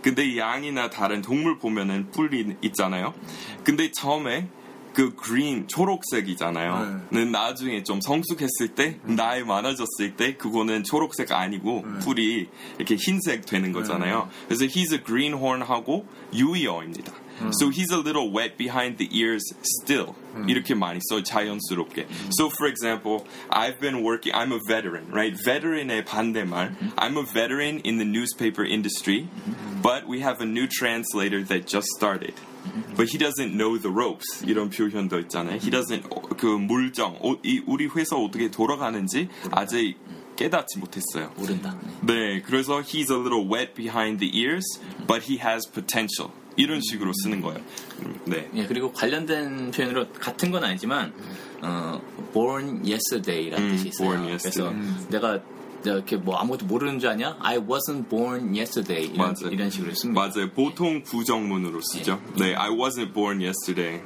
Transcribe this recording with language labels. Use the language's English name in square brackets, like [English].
[Korean] 근데 양이나 다른 동물 보면은 뿔이 있잖아요. 근데 처음에 그 green 초록색이잖아요. 는 나중에 좀 성숙했을 때 나이 많아졌을 때 그거는 초록색 아니고 뿔이 이렇게 흰색 되는 거잖아요. 그래서 [English] he's a greenhorn [Korean] 하고 유의어입니다. [English] So he's a little wet behind the ears still. [Korean] 이렇게 많이 써요, 자연스럽게. [English] So for example, I've been working, I'm a veteran, right? [Korean] Veteran의 반대말. [English] I'm a veteran in the newspaper industry, but we have a new translator that just started. But he doesn't know the ropes. [Korean] 이런 표현도 있잖아요. [English] He doesn't, [Korean] 그 물정, 우리 회사 어떻게 돌아가는지 아직 깨닫지 못했어요. 모른다. 네, 그래서 [English] he's a little wet behind the ears, but he has potential. [Korean] 이런 식으로 쓰는 거예요. 네. 예, 그리고 관련된 표현으로 같은 건 아니지만 [English] born yesterday [Korean] 라는 뜻이 있어요. [English] Born yesterday. [Korean] 그래서 내가 이렇게 뭐 아무것도 모르는 줄 아냐? [English] I wasn't born yesterday. [Korean] 이런 식으로 씁니다. 맞아요. 보통 부정문으로 쓰죠. 예. 네. [English] I wasn't born yesterday.